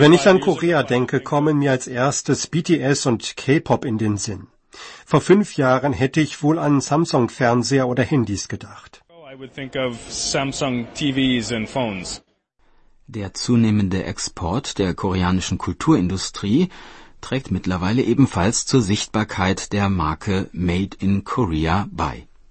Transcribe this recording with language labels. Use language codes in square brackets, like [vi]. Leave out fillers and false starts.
[de] Wenn ich an Korea denke, kommen mir als erstes BTS und K-Pop in den Sinn. Vor 5 Jahren hätte ich wohl an Samsung-Fernseher oder Handys gedacht. [en] I would think of Samsung TVs and phones. [de] Der zunehmende Export der koreanischen Kulturindustrie trägt mittlerweile ebenfalls zur Sichtbarkeit der Marke Made in Korea bei.